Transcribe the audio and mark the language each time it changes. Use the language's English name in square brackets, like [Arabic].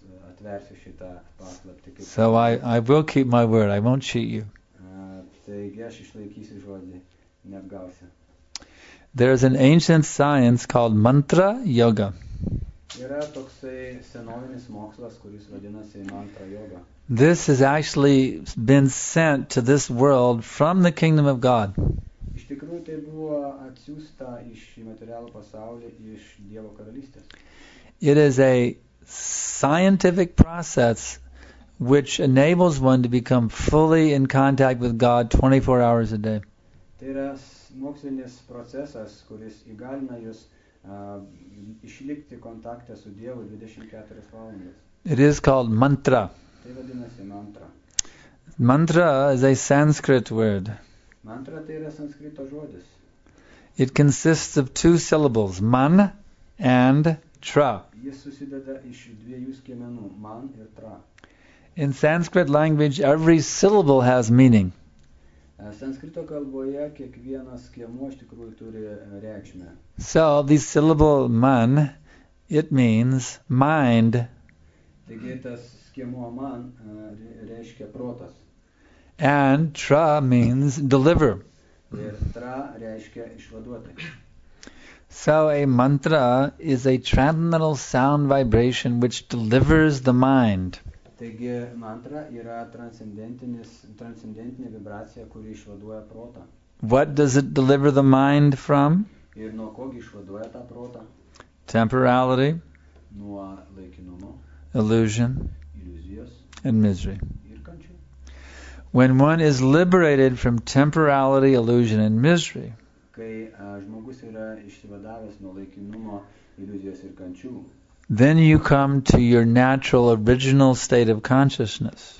[Lithuanian] atversiu šitą paslaptį. [English] So I will keep my word. I won't cheat you. [Lithuanian] Taigi aš išlaikysiu žodį, neapgausiu. [English] There is an ancient science called mantra yoga. [Lithuanian] Yra toksai senovinis mokslas, kuris vadinasi mantra yoga. [English] This has actually been sent to this world from the kingdom of God. [Lithuanian] Iš tikrųjų tai buvo atsiųsta iš materialų pasaulį, iš Dievo karalystės. [English] It is a scientific process which enables one to become fully in contact with God 24 hours a day. [Lithuanian] Tai yra mokslinis procesas, kuris įgalina jūs išlikti kontakte su Dievu 24 valandas. [English] It is called mantra. [Lithuanian] Tai vadinasi mantra. [English] Mantra is a Sanskrit word. [Lithuanian] Mantra tai yra sanskrito žodis. [English] It consists of two syllables, man and tra. [Lithuanian] Jis susideda iš dviejų skiemenų, man ir tra. [English] In Sanskrit language, every syllable has meaning. [Lithuanian] Sanskrito kalboje kiekvienas skiemuo iš tikrųjų turi reikšmę. [English] So, the syllable man, it means mind. [Lithuanian] Taigi tas skiemuo man reiškia protas. [English] And tra means deliver. [Lithuanian] Ir tra reiškia išvaduoti. [English] So a mantra is a transcendental sound vibration which delivers the mind. [Lithuanian] Taigi mantra yra transcendentinė vibracija, kuri išvaduoja protą. [English] What does it deliver the mind from? [Lithuanian] Ir nuo kogi išvaduoja tą protą? [English] Temporality. [Lithuanian] Nuo laikinumo. [English] Illusion. [Lithuanian] Iliuzijos. [English] And misery. [Lithuanian] Ir kančių. [English] When one is liberated from temporality, illusion and misery, [Lithuanian] kai žmogus yra išsivadavęs nuo laikinumo, iliuzijos ir kančių, [English] then you come to your natural original state of consciousness.